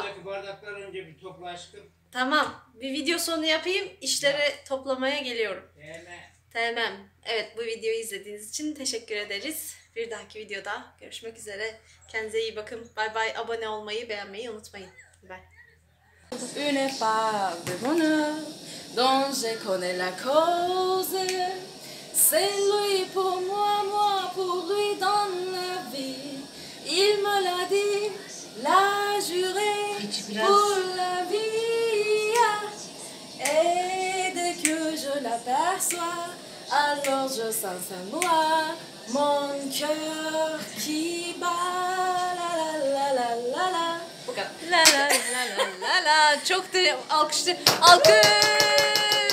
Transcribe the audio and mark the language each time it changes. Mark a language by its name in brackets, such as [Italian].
[Turkish] Buradaki bardakları önce bir topla aşkım. Tamam. Bir video sonu yapayım. İşleri ya. Toplamaya geliyorum. Tamam. Evet bu videoyu izlediğiniz için teşekkür ederiz. Bir dahaki videoda görüşmek üzere. Kendinize iyi bakın. Bay bay. Abone olmayı, beğenmeyi unutmayın. Bay. [French] Une part de bonheur dont je connais la cause. C'est lui pour moi, moi pour lui dans la vie. Il me l'a dit. L'a juré pour la vie. Et dès que je l'aperçois, alors je sens sa voix, mon cœur qui bat. La la la la la la. [Turkish] Bu kadar. La la la la la la. Çok da alkışlı. Alkış.